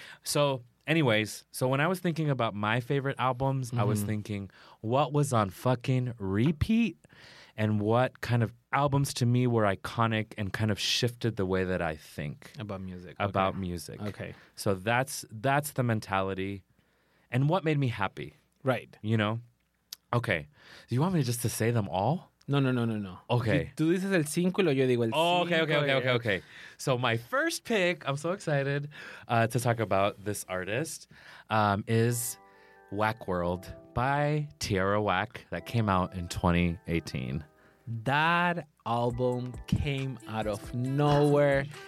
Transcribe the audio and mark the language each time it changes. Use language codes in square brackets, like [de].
[en] So anyways, so when I was thinking about my favorite albums, mm-hmm. I was thinking what was on fucking repeat and what kind of albums to me were iconic and kind of shifted the way that I think. About music. Okay. So that's the mentality. And what made me happy? Right. You know? Okay. Do you want me just to say them all? No. Okay. [es] Tú dices el cinco y yo digo el cinco. [en] Okay. So my first pick, I'm so excited to talk about this artist, is Wack World by Tierra Whack that came out in 2018. That album came out of nowhere.